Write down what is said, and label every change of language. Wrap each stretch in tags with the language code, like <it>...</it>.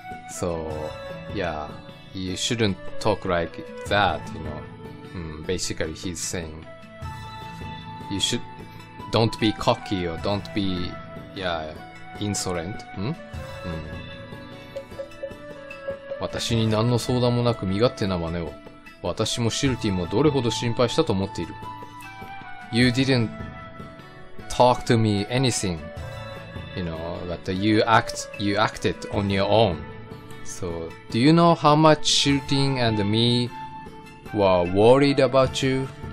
<en>So, yeah, you shouldn't talk like that, you know.、basically, he's saying you should don't be cocky or don't be, yeah, insolent.、</en> <ja>私に何の相談もなく身勝手な真似を。私もシルティもどれほど心配したと思っている。</ja> <en>You didn't talk to me anything, you know, but you acted on your own. So, do you know how much Shilteen and me were worried about you?</en>